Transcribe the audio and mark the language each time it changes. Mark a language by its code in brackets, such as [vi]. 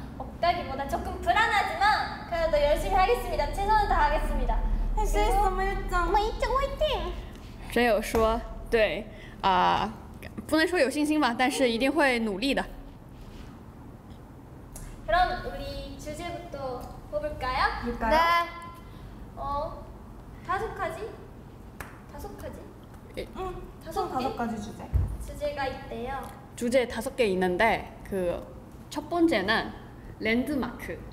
[ko] 없다기보다 조금 불안하지만 그래도 열심히 하겠습니다. 최선을 다하겠습니다. 할수 있어, 마유짱. 마유짱 화이팅! [zh] 真有说对啊，不能说有信心吧，但是一定会努力的。 [ko] 그럼 우리 주제부터 뽑을까요? 뽑을까요? 네. 다섯 가지? 다섯 가지? 응. 다섯 가지 주제. 주제가 있대요. 주제 다섯 개 있는데 그 첫 번째는 랜드마크.